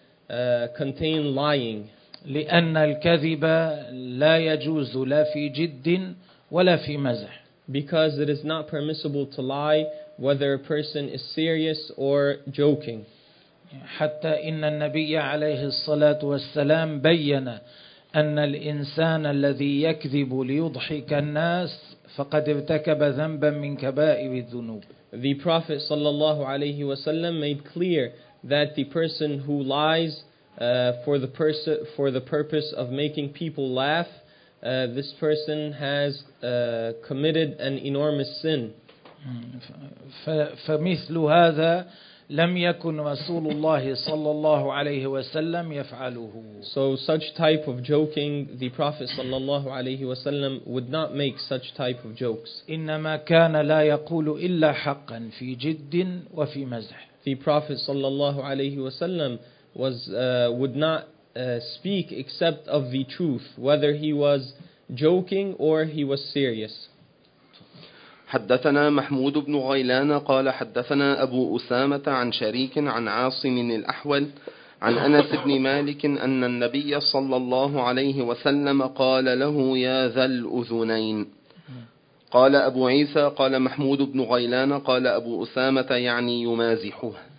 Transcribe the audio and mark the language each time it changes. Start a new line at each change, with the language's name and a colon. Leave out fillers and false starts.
English: Nor was it jokes that contain lying.
Arabic: لأن الكذب لا يجوز لا في جد ولا في مزح.
English: Because it is not permissible to lie, whether a person is serious or joking.
Arabic: حتى إن النبي عليه الصلاة والسلام بين أن الإنسان الذي يكذب ليضحك الناس فقد ارتكب ذنبا من كبائر الذنوب.
English: The Prophet
Arabic: صلى الله عليه وسلم
English: made clear that the person who lies for the purpose of making people laugh, this person has committed an enormous sin.
Arabic: فمثل هذا لم يكن رسول الله صلى الله عليه وسلم يفعله.
English: So such type of joking, the Prophet
Arabic: صلى الله عليه وسلم
English: would not make such type of jokes.
Arabic: إنما كان لا يقول إلا حقا في جد وفي مزح.
English: The Prophet
Arabic: صلى الله عليه وسلم
English: would not speak except of the truth, whether he was joking or he was serious.
Arabic: حدثنا محمود بن غيلان قال حدثنا أبو أسامة عن شريك عن عاصم الأحول عن أنس بن مالك أن النبي صلى الله عليه وسلم قال له يا ذا الأذنين. قال أبو عيسى قال محمود بن غيلان قال أبو أسامة يعني يمازحه.